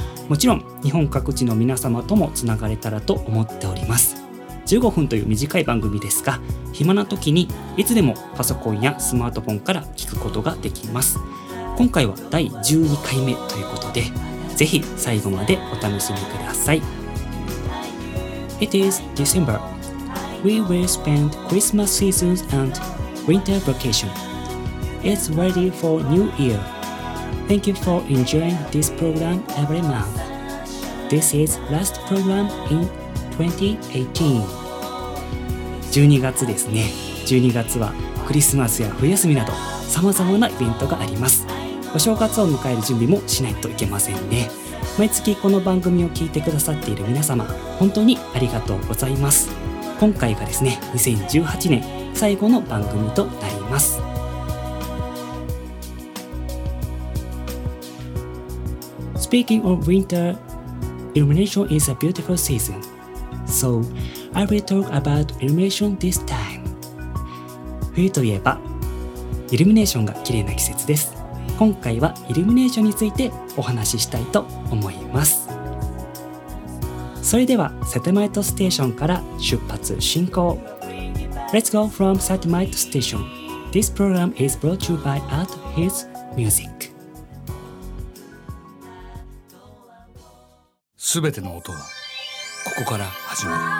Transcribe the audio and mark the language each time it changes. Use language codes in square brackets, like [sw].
[ja] もちろん日本各地の皆様ともつながれたらと思っております。 15分という短い番組ですが、暇な時にいつでもパソコンやスマートフォンから聞くことができます。今回は第12回目ということで、ぜひ最後までお楽しみください。 [en] It is December. We will spend Christmas season and winter vacation. It's ready for New Year. Thank you for enjoying this program every month. This is last program in 2018. [ja] 12月ですね。 12月はクリスマスや冬休みなど様々なイベントがあります。お正月を迎える準備もしないといけませんね。毎月この番組を聞いてくださっている皆様、本当にありがとうございます。今回がですね、2018年最後の番組となります。 [en] Speaking of winter, illumination is a beautiful season. So, I will talk about illumination this time. [ja] 冬といえばイルミネーションが綺麗な季節です。今回はイルミネーションについてお話ししたいと思います。それではサテマイトステーションから出発進行。 [en] Let's go from サテマイトステーション。 This program is brought to you by Art His Music。 [ja] すべての音はここから始まる。